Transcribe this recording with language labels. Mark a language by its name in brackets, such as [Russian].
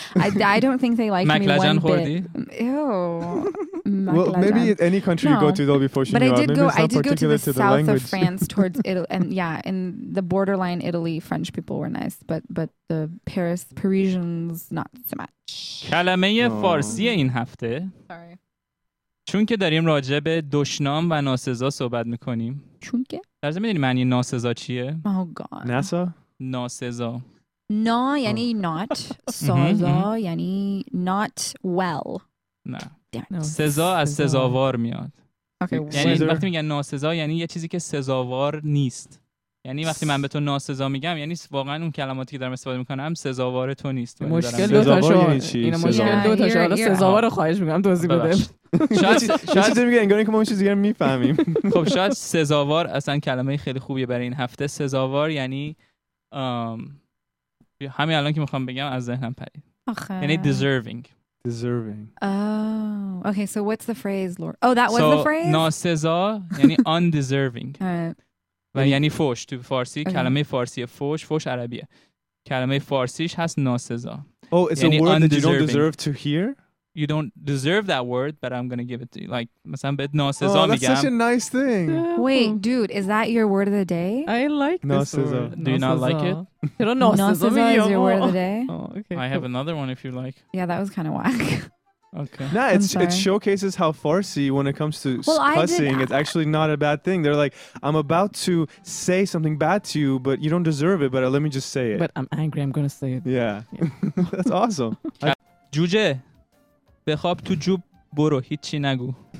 [English] I don't think they like me one bit. Well, maybe any country you go to though before she. But I did go. I did go to the south of France towards Italy, and yeah, in the borderline Italy, French people were nice, but the Parisians not so much. [Persian] کلمه فارسی این هفته. [English] Sorry. [Persian] چون که داریم راجع به دشنام و ناسزا صحبت میکنیم. چون که. درسته میدونی معنی ناسزا چیه؟ [English] Oh God. [Persian] ناسا. ناسزا. نا یعنی [English] not. [Persian] سازا یعنی [English] not well. [Persian] نه. سزا از سزاوار میاد. یعنی وقتی میگن ناسزا یعنی یه چیزی که سزاوار نیست. یعنی وقتی من به تو ناسزا میگم یعنی واقعا اون کلماتی که دارم استفاده میکنم سزاوار تو نیست. مشکل دو تاشو اینه سزاوار خواهش میگم توضیح بده. شاید میگه انگار اینکه ما چیز دیگه میفهمیم. خب شاید سزاوار اصلا کلمه خیلی خوبیه برای این هفته. سزاوار یعنی همین الان که میخوام بگم از ذهنم پرید. یعنی [English] deserving. Deserving. Oh, okay. So what's the phrase, Lord? Oh, that was the phrase? [Persian] ناسزا یعنی [English] undeserving. [Persian] و یعنی فوش تو فارسی کلمه فارسی فوش عربیه کلمه فارسیش هست ناسزا. [English] Oh, it's [Persian] یعنی [English] a word that you don't deserve to hear? You don't deserve that word, but I'm going to give it to you. Like, [Persian] مثلا بهت ناسزا میگم. [English] Oh, that's such a nice thing. Wait, dude, is that your word of the day? I like this word. Do you not like it? [Persian] ناسزا [English] is your word of the day? Oh, okay. I have another one if you like. Yeah, that was kind of whack. Okay. Nah, it showcases how Farsi, when it comes to cussing, it's actually not a bad thing. They're like, I'm about to say something bad to you, but you don't deserve it, but let me just say it. But I'm angry, I'm going to say it. Yeah. That's awesome. [Persian] جوجه بخواب تو جوب برو هیچی نگو.